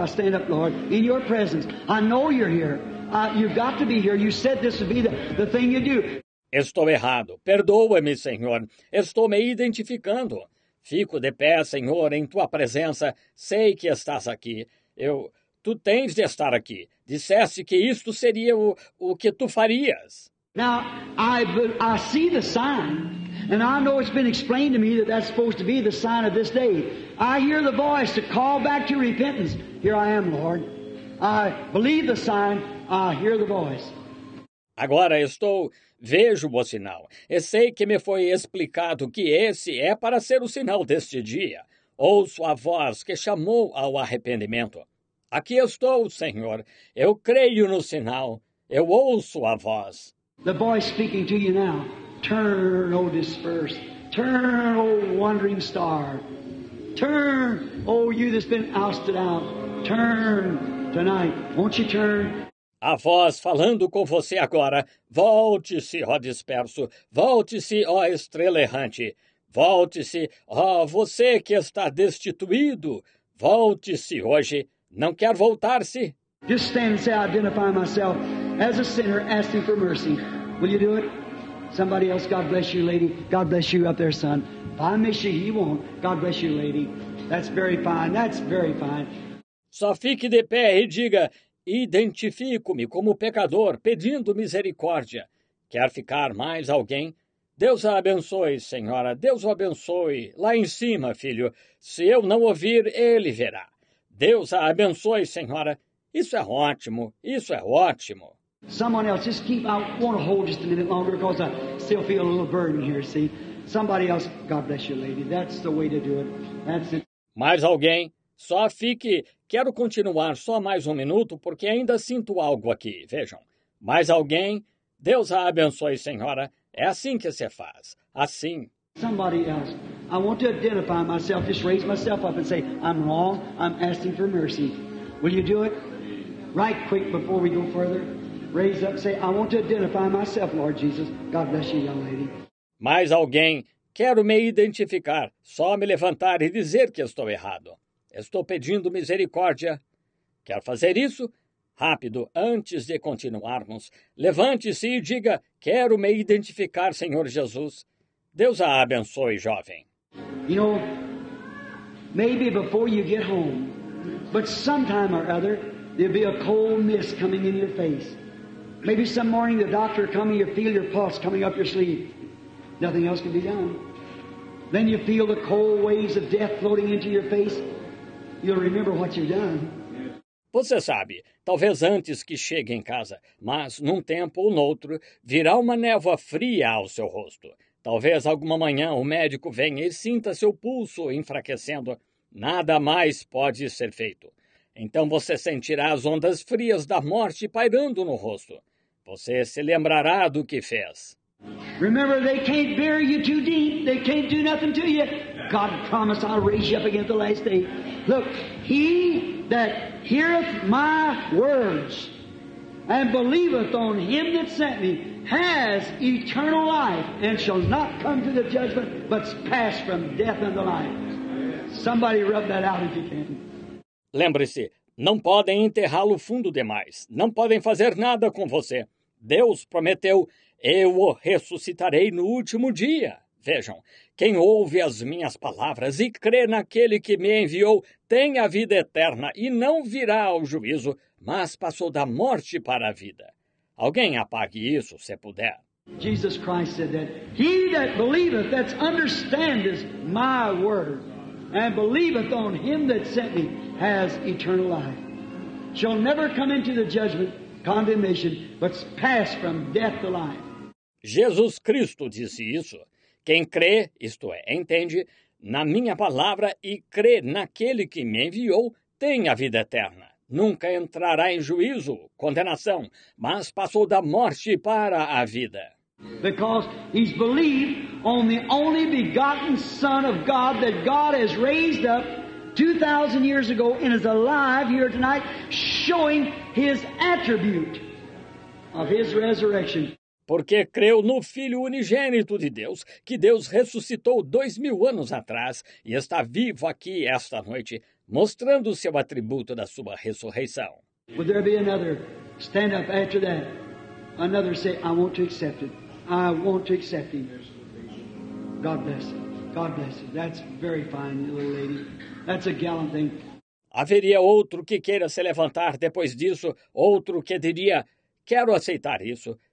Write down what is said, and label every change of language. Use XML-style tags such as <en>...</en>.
<en>I stand up, Lord, in your presence. I know you're here. You've got to be here. You said this would be the thing you do.</en> <pt>Estou errado. Perdoa-me, Senhor. Estou me identificando. Fico de pé, Senhor, em tua presença. Sei que estás aqui. Tu tens de estar aqui. Disseste que isto seria o que tu farias.</pt> <en>Now, I see the sign, and I know it's been explained to me that that's supposed to be the sign of this day. I hear the voice to call back to repentance. Here I am, Lord. I believe the sign. I hear the voice.</en> <pt>Agora estou, vejo o sinal. E sei que me foi explicado que esse é para ser o sinal deste dia. Ouço a voz que chamou ao arrependimento. Aqui estou, Senhor. Eu creio no sinal. Eu ouço a voz.</pt> <en>The voice speaking to you now. Turn, O dispersed. Turn, O wandering star. Turn, O you that's been ousted out. Turn tonight. Won't you turn?</en> <pt>A voz falando com você agora. Volte-se, ó disperso. Volte-se, ó estrela errante. Volte-se, ó você que está destituído. Volte-se hoje. Não quer voltar-se?</pt> <en>Just stand and say, I identify myself as a sinner asking for mercy. Will you do it? Somebody else, God bless you, lady. God bless you up there, son. If I miss you, he won't. God bless you, lady. That's very fine. That's very fine.</en> <pt>Só fique de pé e diga, identifico-me como pecador, pedindo misericórdia. Quer ficar mais alguém? Deus a abençoe, senhora. Deus o abençoe. Lá em cima, filho. Se eu não ouvir, ele verá. Deus a abençoe, senhora. Isso é ótimo. Isso é ótimo.</pt> <en>Someone else, just keep, I want to hold just a minute longer because I still feel a little burden here, see. Somebody else, God bless you, lady. That's the way to do it. That's it.</en> <pt>Mais alguém? Só fique... Quero continuar só mais um minuto, porque ainda sinto algo aqui. Vejam. Mais alguém? Deus a abençoe, senhora. É assim que se faz. Assim.</pt> <en>Somebody else. I want to identify myself. Just raise myself up and say, I'm wrong. I'm asking for mercy. Will you do it? Right quick before we go further. Raise up and say, I want to identify myself, Lord Jesus. God bless you, young lady.</en> <pt>Mais alguém? Quero me identificar. Só me levantar e dizer que estou errado. Estou pedindo misericórdia. Quer fazer isso? Rápido, antes de continuarmos, levante-se e diga, quero me identificar, Senhor Jesus. Deus a abençoe, jovem.</pt> <en>You know, maybe before you get home, but sometime or other, there'll be a cold mist coming in your face. Maybe some morning the doctor coming, you feel your pulse coming up your sleeve. Nothing else can be done. Then you feel the cold waves of death floating into your face. You'll remember what you've done.</en> <pt>Você sabe, talvez antes que chegue em casa, mas num tempo ou noutro, virá uma névoa fria ao seu rosto. Talvez alguma manhã o médico venha e sinta seu pulso enfraquecendo. Nada mais pode ser feito. Então você sentirá as ondas frias da morte pairando no rosto. Você se lembrará do que fez.</pt> <en>Remember, they can't bury you too deep. They can't do nothing to you. God promised I'll raise you up again the last day. Look, he that heareth my words and believeth on him that sent me has eternal life and shall not come to the judgment, but pass from death unto life. Somebody rub that out if you can.</en> <pt>Lembre-se, não podem enterrá-lo fundo demais. Não podem fazer nada com você. Deus prometeu, eu o ressuscitarei no último dia. Vejam, quem ouve as minhas palavras e crê naquele que me enviou tem a vida eterna e não virá ao juízo, mas passou da morte para a vida. Alguém apague isso, se puder.</pt> <en>Jesus Christ said that he that believeth, that understandeth my word, and believeth on him that sent me, has eternal life. Shall never come into the judgment, condemnation, but pass from death to life.</en> <pt>Jesus Cristo disse isso. Quem crê, isto é, entende, na minha palavra e crê naquele que me enviou, tem a vida eterna. Nunca entrará em juízo, condenação, mas passou da morte para a vida.</pt> <en>Because he's believed on the only begotten Son of God that God has raised up 2,000 years ago and is alive here tonight, showing his attribute of his resurrection.</en> <pt>Porque creu no Filho unigênito de Deus, que Deus ressuscitou 2,000 anos atrás e está vivo aqui esta noite, mostrando o seu atributo da sua ressurreição.</pt> <en>Would there be another stand up after that? Another say, I want to accept it. I want to accept him. God bless you. God bless you. That's very fine, little lady. That's a gallant thing.</en> <pt>Haveria outro que queira se levantar depois disso, outro que diria, quero aceitar isso.</pt>